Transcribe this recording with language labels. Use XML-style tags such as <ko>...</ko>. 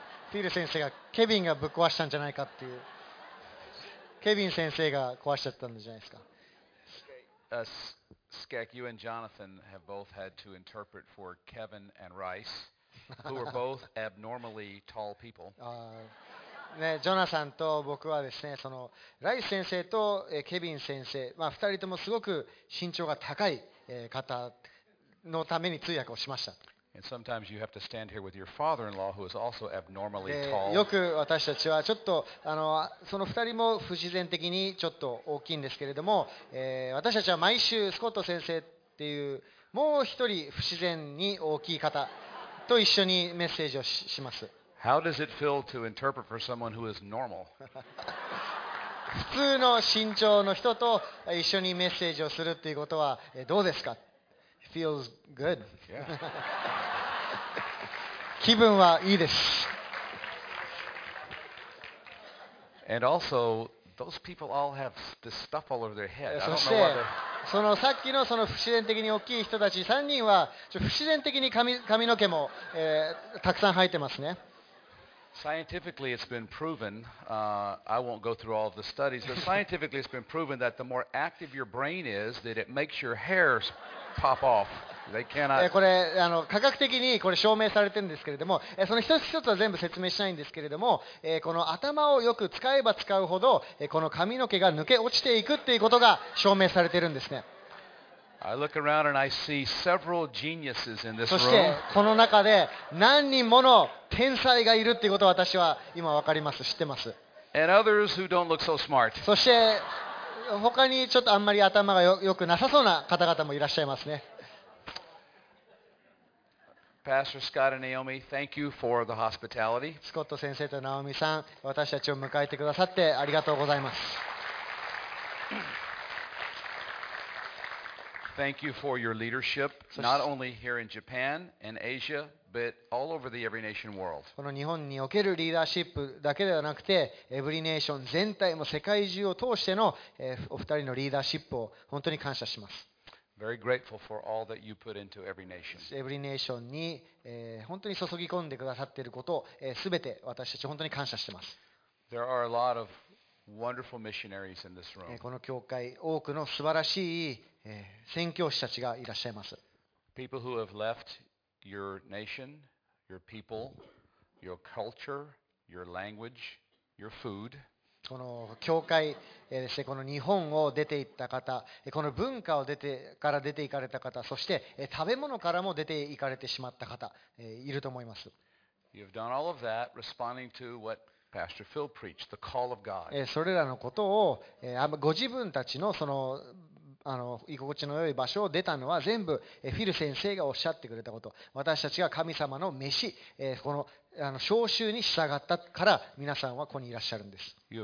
<ja>フィル先生がケビンがぶっ壊したんじゃないかっていう。ケビン先生が壊しちゃったんじゃないですか？</ja> <en>Skek, you and Jonathan have both had to interpret for Kevin and Rice, who were both abnormally tall people.</en> <ja>ね、ジョナサンと僕はですね、そのライス先生とケビン先生、まあ、2人ともすごく身長が高い方のために通訳をしました。よく私たちはちょっとあのその2人も不自然的にちょっと大きいんですけれども、私たちは毎週スコット先生っていうもう1人不自然に大きい方と一緒にメッセージを します。</ja> <en>How does it feel to interpret for someone who is normal?</en> <ja>普通の身長の人と一緒にメッセージをするっていうことはどうですか?</ja> <en>Feels good.</en> <ja>気分はいいです。</ja> <en>And also, those people all have this stuff all over their head. I don't know why they're...</en> <ja>そのさっきのその不自然的に大きい人たち3人は不自然的に 髪の毛も、たくさん生えてますね。</ja> <en>Scientifically it's been proven, I won't go through all of the studies, but scientifically it's been proven that the more active your brain is, that it makes your hairs pop off. They cannot...</en> <ja>これ科学的にこれ証明されてるんですけれども、その一つ一つは全部説明しないんですけれども、この頭をよく使えば使うほど、この髪の毛が抜け落ちていくっていうことが証明されてるんですね。</ja> <en>I look around and I see several geniuses in this room.</en> <ja>そしてこの中で何人もの天才がいるっていうことを私は今わかります、知ってます。</ja> <en>And others who don't look so smart.</en> <ja>そして他にちょっとあんまり頭が良くなさそうな方々もいらっしゃいますね。</ja> <en>Pastor Scott and Naomi, thank you for the hospitality.</en> <ja>スコット先生とナオミさん、私たちを迎えてくださってありがとうございます。</ja> <en>Thank you for your leadership, not only here in Japan and Asia, but all over the every nation world.</en> <ja>この日本におけるリーダーシップだけではなくて、エブリネーション全体も世界中を通してのお二人のリーダーシップを本当に感謝します。</ja> <en>Very grateful for all that you put into every nation.</en> <ja>エブリネーションに本当に注ぎ込んでくださっていることを、すべて私たち本当に感謝しています。</ja> <en>There are a lot of wonderful missionaries in this room.</en> <ja>この教会、多くの素晴らしい宣教師たちがいらっしゃいます。</ja> <en>People who have left your nation, your people, your culture, your language, your food.</en> <ja>この教会、ですね、この日本を出ていった方、この文化を出てから出て行かれた方、そして食べ物からも出て行かれてしまった方、いると思います。</ja> <en>You've done all of that, responding to what Pastor Phil preached, the call of God.</en> <ja>それらのことを、ご自分たちのその居心地の良い場所を出たのは全部フィル先生がおっしゃってくれたこと、私たちが神様の召し、この召集に従ったから皆さんはここにいらっしゃるんです。</ja>